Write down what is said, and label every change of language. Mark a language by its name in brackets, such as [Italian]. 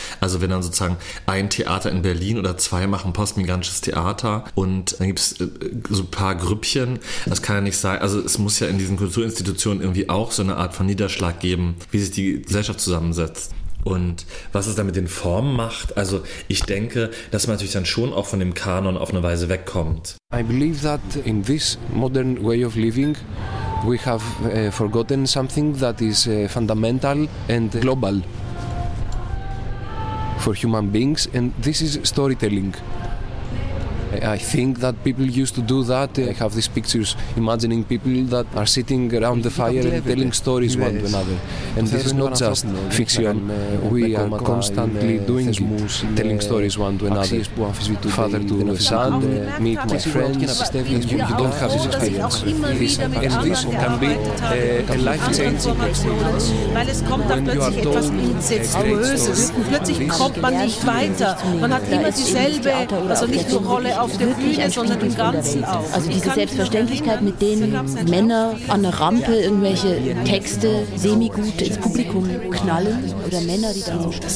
[German] Also wenn dann sozusagen ein Theater in Berlin oder zwei machen postmigrantisches Theater und dann gibt es so ein paar Grüppchen, das kann ja nicht sein, also es muss ja in diesen Kulturinstitutionen irgendwie auch so eine Art von Niederschlag geben, wie sich die Gesellschaft zusammensetzt. Und was es dann mit den Formen macht, also ich denke, dass man natürlich dann schon auch von dem Kanon auf eine Weise wegkommt. [English] I believe that in this modern way of living we have forgotten something that is fundamental and global for human beings, and this is storytelling. I think that people used to do that. I have these pictures imagining people that are sitting around the fire and telling stories one to another. And this is not just fiction. We are constantly doing it, telling stories one to another. Father to the son, meet my friends. You don't have this experience. And this can be a life-changing experience. When you are told a great story, this is a great story. [German] Wirklich ein Spiel. Also diese Selbstverständlichkeit, mit denen Männer an der Rampe irgendwelche Texte semi-gut ins Publikum knallen oder Männer, die dann so